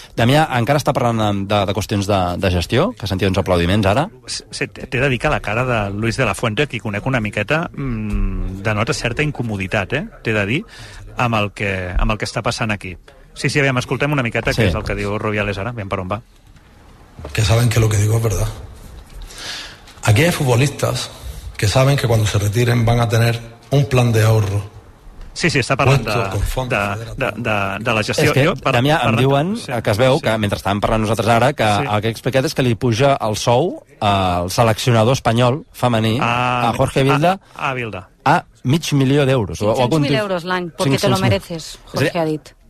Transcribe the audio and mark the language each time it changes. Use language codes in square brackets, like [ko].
[ca] Damià, encara està parlant de qüestions de gestió, que sentia uns aplaudiments ara. Sí, t'he de dir que la cara de Luis de la Fuente, qui conec una miqueta, denota certa incomoditat, t'he de dir, amb el que està passant aquí. Sí, aviam, escoltem una miqueta, que és el que diu Rubiales ara, aviam per on va. [es] Que saben que lo que digo es verdad. Aquí hay futbolistas que saben que cuando se retiren van a tener un plan de ahorro [ca] Sí, sí, està parlant de la gestió. És que, Damià, em diuen que es veu, que mentre estàvem parlant nosaltres ara, que el que he explicat és que li puja el sou al seleccionador espanyol femení, a Jorge Vilda, a mig milió d'euros. 500.000 euros l'any, perquè [es] te lo mereces, [ca] Jorge ha dit.